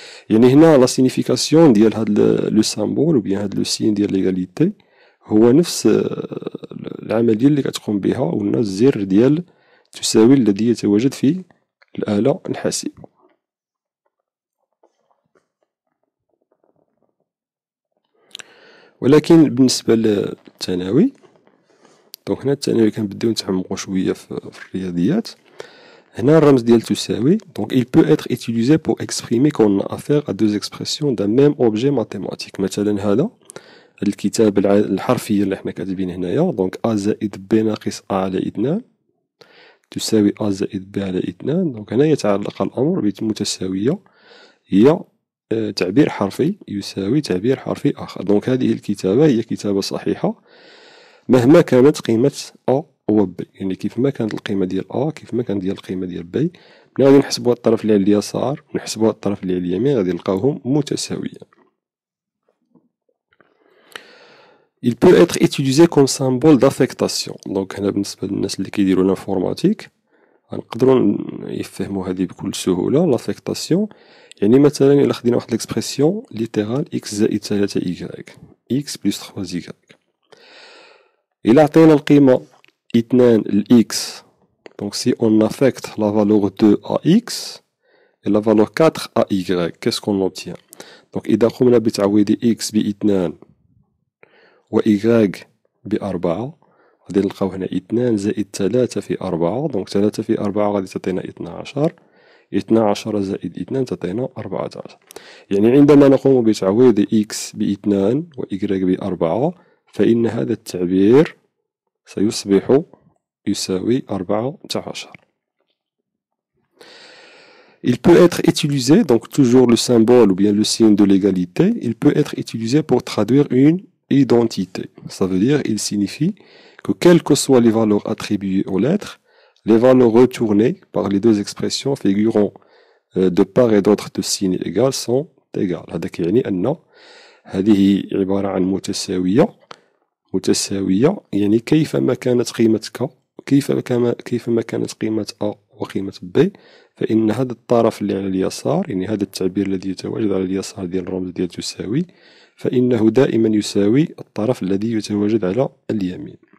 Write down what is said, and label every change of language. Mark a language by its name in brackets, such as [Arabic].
[Arabic] يعني هنا لا سينيفيكاسيون ديال هذا لو سامبول وبيان هذا لو سين ديال ليغاليتي هو نفس العمليه اللي كتقوم بها، ولا الزر ديال تساوي الذي يتواجد في الاله الحاسبه. ولكن بالنسبه للثانوي، دونك هنا الثانوي كنبداو نتعمقوا شويه في الرياضيات. هنا الرمز ديال تساوي، دونك [French] il peut être utilisé pour exprimer qu'on a affaire à deux expressions d'un même objet mathématique. [Arabic] مثلا هذا الكتاب الحرفيه اللي حنا كاتبين هنايا، دونك a زائد b ناقص a على 2 تساوي a زائد b على 2. دونك هنا يتعلق الامر بالمتساويه، هي تعبير حرفي يساوي تعبير حرفي اخر. دونك هذه الكتابه هي كتابه صحيحه مهما كانت قيمه a و b، يعني كيف ما كانت القيمه ديال a كيف ما كانت ديال القيمه ديال b، ملي غادي نحسبوا الطرف اللي على اليسار نحسبوا الطرف اللي على اليمين غادي نلقاوهم متساويين. [French] il peut être utilisé comme symbole d'affectation. [Arabic] دونك هنا بالنسبه للناس اللي كيديروا الانفورماتيك غنقدروا يفهموا هذه بكل سهوله. لافيكتاسيون يعني مثلا الا خدينا واحد ليكسبرسيون ليترال اكس زائد 3 y اكس بلس 3 y، الا عطينا القيمه 2 x، دونك سي اون افكت لا فالور 2 ا اكس اي لا فالور 4 ا y كيس كون اوبتيان. دونك اذا قمنا بتعويض اكس ب 2 و y ب 4 غادي نلقاو هنا 2 زائد 3 في 4، دونك 3 في 4 غادي تعطينا 12، 12 زائد 2 تعطينا 14. يعني عندما نقوم بتعويض x ب 2 و y ب 4 فإن هذا التعبير سيصبح يساوي 14. [French] il peut être utilisé donc toujours le symbole ou bien le signe de l'égalité il peut être utilisé pour traduire une identité. ça veut dire il signifie que quelles que soient les valeurs attribuées aux lettres, les valeurs retournées par les deux expressions figurant de part et d'autre de signes égales sont égales. [Arabic] هذا كيعني ان هذه عباره عن متساويه. متساويه يعني كيف ما كانت قيمتك كيف ما كانت قيمه ا وقيمه ب، فان هذا الطرف اللي على اليسار يعني هذا التعبير الذي يتواجد على اليسار ديال الرمز ديال تساوي فانه دائما يساوي الطرف الذي يتواجد على اليمين.